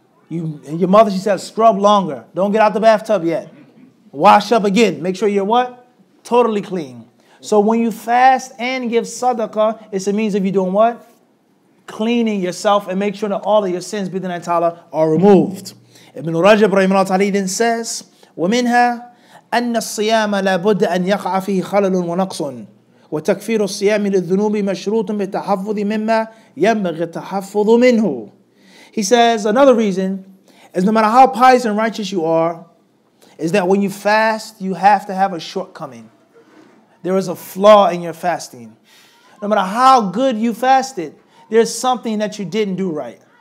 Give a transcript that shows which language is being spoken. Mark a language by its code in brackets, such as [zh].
[en] Your mother, she said, scrub longer. Don't get out the bathtub yet. Wash up again. Make sure you're what? Totally clean. So when you fast and give sadaqah, it's a means of you doing what? Cleaning yourself and make sure that all of your sins, bi dhinna ta'ala, are removed. Ibn Rajab, rahimahullah ta'ala, then says, [ar] وَمِنْهَا أَنَّ الصِّيَامَ لَابُدَّ أَنْ يَقْعَ فِيهِ خَلَلٌ وَنَقْصٌ وَتَكْفِيرُ الصِّيَامِ لِلذُّنُوبِ مَشْرُوطٌ بِالتَّحَفُّظِ مِمَّا يَنْبَغِ التَّحَفُّظُ مِنْهُ. [en] He says, another reason is no matter how pious and righteous you are, is that when you fast, you have to have a shortcoming. There is a flaw in your fasting. No matter how good you fasted, there's something that you didn't do right.